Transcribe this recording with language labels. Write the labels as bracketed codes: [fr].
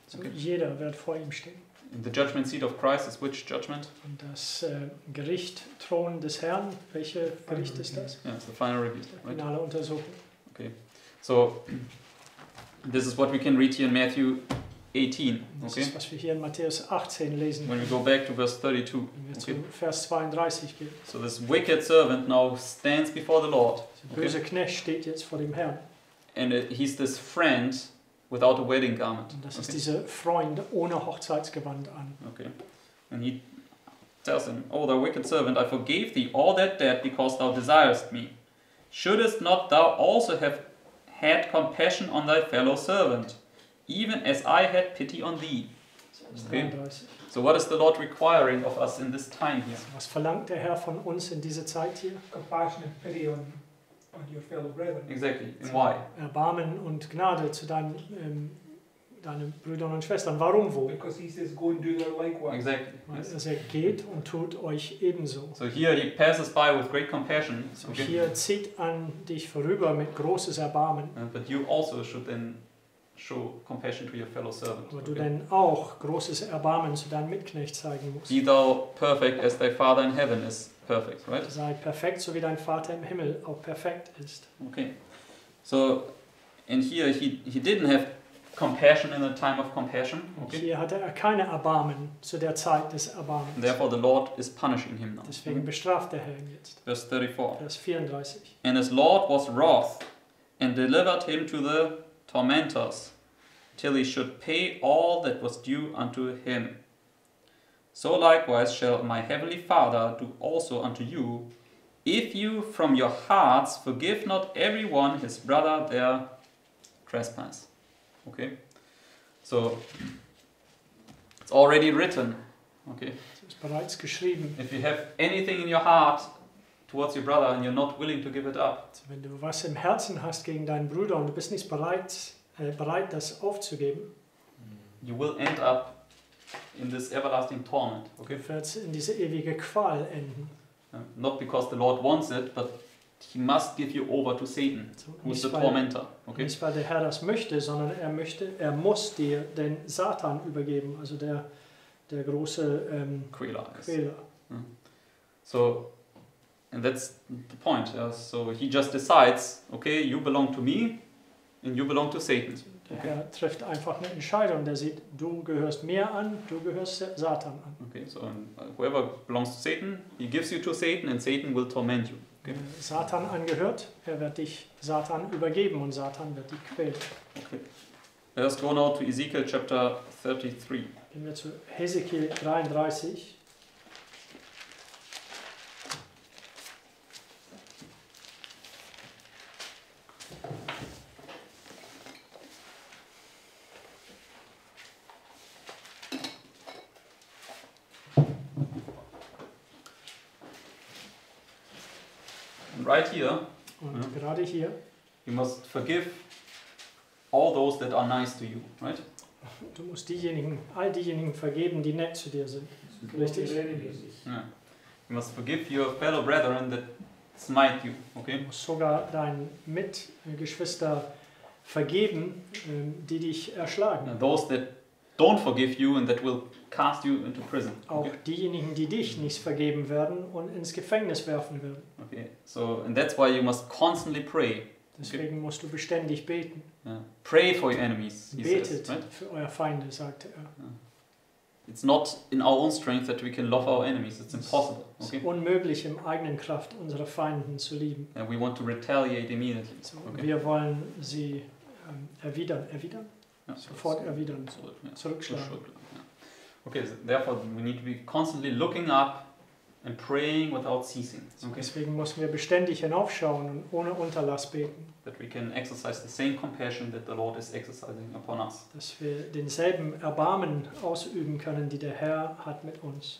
[de] Okay. Jeder wird vor ihm stehen. [en] In the judgment seat of Christ is which judgment? [de] Und das Gerichtthron des Herrn. Welche Gericht ist das? [en] Yeah, it's the final review. Right? [de] Finale Untersuchung. [en] Okay. So, this is what we can read here in Matthew 18. Okay? [de] Das ist, was wir hier in Matthäus 18 lesen. [en] When we go back to verse 32. [de] Wenn wir zu Vers 32 gehen. [en] So this wicked servant now stands before the Lord. [de] Der böse Knecht steht jetzt vor dem Herrn. [en] And he's this friend without a wedding garment. [de] Und das ist dieser Freund ohne Hochzeitsgewand an. [en] Okay. And he tells him, "Oh, thou wicked servant, I forgave thee all that debt because thou desirest me. Shouldest not thou also have had compassion on thy fellow servant, even as I had pity on thee?" Okay. So what is the Lord requiring of us in this time here? [de] Was verlangt der Herr von uns in dieser Zeit hier? [en] Compassion and pity on your fellow brethren. Exactly. And why? [de] Erbarmen und Gnade zu deinen Brüdern und Schwestern. Warum wohl? [en] Because he says, go and do their likewise. Exactly. [de] Also er geht und tut euch ebenso. [en] So here he passes by with great compassion. [de] So hier zieht an dich vorüber mit großes Erbarmen. [en] But you also should then show compassion to your fellow servant. [de] Aber du denn auch großes Erbarmen zu deinem Mitknecht zeigen musst. [en] Be thou perfect as thy Father in heaven is perfect, right? [de] Sei perfekt, so wie dein Vater im Himmel auch perfekt ist. [en] Okay. So, and here he didn't have compassion in the time of compassion. Okay. [de] Hier hatte er keine Erbarmen zu der Zeit des Erbarmens. [en] Therefore the Lord is punishing him now. [de] Deswegen bestraft der Herr ihn jetzt. [en] Verse 34. [de] Vers 34. [en] And his Lord was wroth and delivered him to the tormentors till he should pay all that was due unto him. So likewise shall my heavenly Father do also unto you, if you from your hearts forgive not every one his brother their trespass. Okay? So, it's already written. Okay? [de] Es ist bereits geschrieben. [en] If you have anything in your heart towards your brother and you're not willing to give it up. [de] So, wenn du was im Herzen hast gegen deinen Bruder und du bist nicht bereit, bereit das aufzugeben, [en] you will end up in this everlasting torment. Okay. [de] Wird's in diese ewige Qual enden. [en] Not because the Lord wants it, but he must give you over to Satan, who is the tormentor. Okay. [de] Nicht weil der Herr das möchte, sondern er muss dir den Satan übergeben, also der große [en] Quäler. So, and that's the point. Yeah? So he just decides, okay, you belong to me, and you belong to Satan. [de] Der Herr trifft einfach eine Entscheidung, der sieht, du gehörst mir an, du gehörst Satan an. [en] Okay, so whoever belongs to Satan, he gives you to Satan and Satan will torment you. Okay. [de] Satan angehört, er wird dich Satan übergeben und Satan wird dich quälen. [en] Okay. Let's go now to Ezekiel chapter 33. [de] Gehen wir zu Hesekiel 33. [en] Right here, [de] und gerade hier, [en] you must forgive all those that are nice to you, right? [de] Du musst all diejenigen vergeben, die nett zu dir sind. Richtig? [en] Yeah. You must forgive your fellow brethren that smite you, okay? [de] Du musst sogar deinen Mitgeschwister vergeben, die dich erschlagen. [en] And those that don't forgive you and that will cast you into prison. [de] Auch okay. Diejenigen, die dich nicht vergeben werden und ins Gefängnis werfen werden. [en] Okay, so and that's why you must constantly pray. [de] Deswegen okay. Musst du beständig beten. [en] Yeah. Pray for your enemies, he [de] betet [en] says, right? [de] Für eure Feinde, sagte er. [en] Yeah. It's not in our own strength that we can love our enemies. It's impossible. Okay. [de] Es ist unmöglich, im eigenen Kraft unsere Feinde zu lieben. [en] And we want to retaliate immediately. [de] So, okay. Wir wollen sie erwidern. Yeah, sofort erwidern, zurückschlagen. [en] Okay, so therefore we need to be constantly looking up and praying without ceasing. Okay. [de] Deswegen müssen wir beständig hinaufschauen und ohne Unterlass beten. [en] That we can exercise the same compassion that the Lord is exercising upon us. [de] Dass wir denselben Erbarmen ausüben können, die der Herr hat mit uns.